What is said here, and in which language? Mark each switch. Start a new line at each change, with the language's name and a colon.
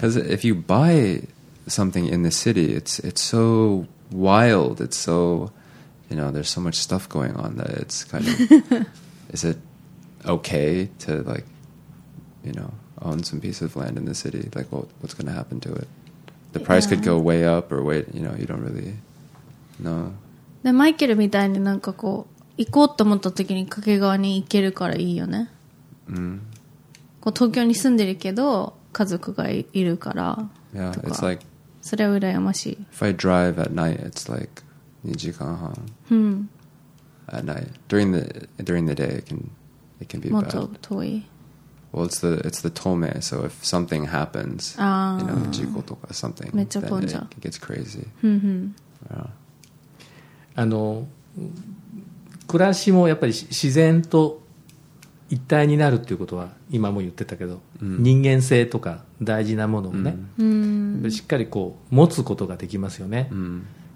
English: Because if you buy something in the city, it's so wild, it's so, you know, there's so much stuff going on that it's kind of is it okay to, like, you know, own some piece of land in the city? Like, well, what's going to happen to it? The price could go way up or way, you know, you don't really know.
Japanese: でマイケルみたいになんかこう行こうと思った時に掛川に行けるからいいよね。うん。こう東京に住んでるけど家族がいるからとか。
English: Yeah, it's like,
Japanese: それは羨ましい。
English: If I drive at night, it's like
Japanese: 2時間半。うん。
English: At night. During the day, it can be bad.
Japanese: もっと遠い。
English: Well, it's the tome, so if something happens, you know,
Japanese: 事故とか
English: something,
Japanese: めっちゃ混んじゃう。
English: Then it gets crazy.
Japanese: あの暮らしもやっぱり自然と一体になるっていうことは今も言ってたけど、うん、人間性とか大事なものをね、うん、しっかりこう持つことができますよね、うん、